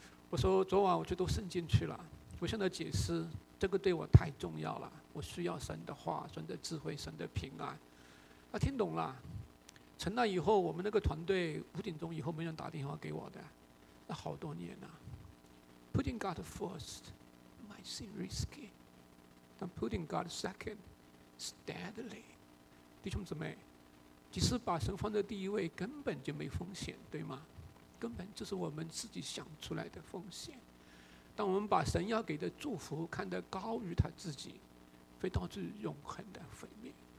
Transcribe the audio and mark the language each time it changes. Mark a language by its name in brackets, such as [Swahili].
[Chinese] 我说昨晚我去读圣经去了。我向他解释，这个对我太重要了，我需要神的话、神的智慧、神的平安。他听懂了。从那以后，我们那个团队五点钟以后没人打电话给我的，那好多年了。 [English] Putting God first might seem risky, but putting God second steadily. [Chinese] 弟兄姊妹，即使把神放在第一位根本就没风险，对吗？根本就是我们自己想出来的风险。当我们把神要给的祝福看得高于他自己，会导致永恒的毁灭。